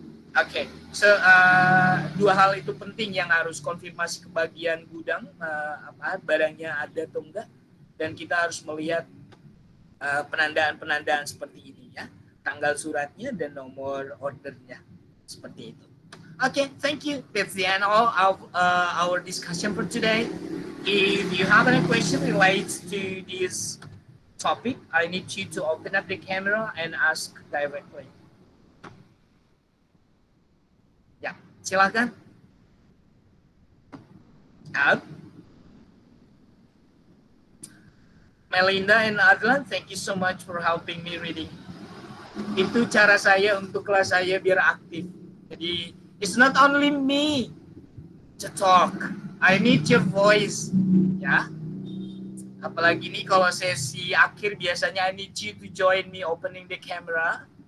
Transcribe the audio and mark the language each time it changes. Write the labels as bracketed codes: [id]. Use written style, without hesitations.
[id] Oke, dua hal itu penting yang harus konfirmasi ke bagian gudang, barangnya ada atau enggak, dan kita harus melihat penandaan-penandaan seperti ini, ya. Tanggal suratnya dan nomor ordernya, seperti itu. [en] Okay, thank you. That's the end of our discussion for today. If you have any question related to this topic, I need you to open up the camera and ask directly. Yeah, [id] silakan. [en] Melinda and Adlan, thank you so much for helping me reading. [id] Itu cara saya untuk kelas saya biar aktif. Jadi [en] it's not only me to talk. I need your voice, ya. [id] Apalagi ini kalau sesi akhir biasanya [en] I need you to join me opening the camera.